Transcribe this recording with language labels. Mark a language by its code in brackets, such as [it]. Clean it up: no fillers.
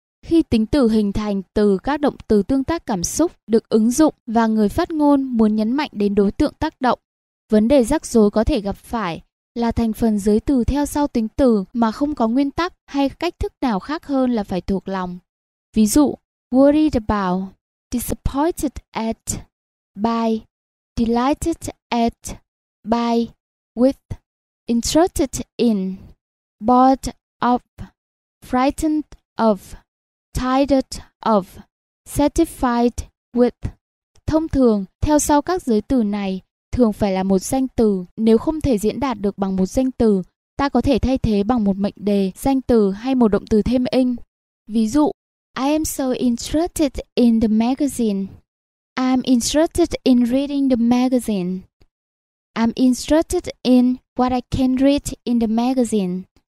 [vi] Khi tính từ hình thành từ các động từ tương tác cảm xúc được ứng dụng và người phát ngôn muốn nhấn mạnh đến đối tượng tác động, vấn đề rắc rối có thể gặp phải là thành phần giới từ theo sau tính từ mà không có nguyên tắc hay cách thức nào khác hơn là phải thuộc lòng. Ví dụ, [en] worried about, disappointed at, by, delighted at, by, with, interested in, bored of, frightened of, tired of, satisfied with. [vi] Thông thường, theo sau các giới từ này thường phải là một danh từ. Nếu không thể diễn đạt được bằng một danh từ, ta có thể thay thế bằng một mệnh đề, danh từ hay một động từ thêm in. Ví dụ, [en] I am so interested in the magazine. I'm interested in reading the magazine. I'm interested in what I can read in the magazine.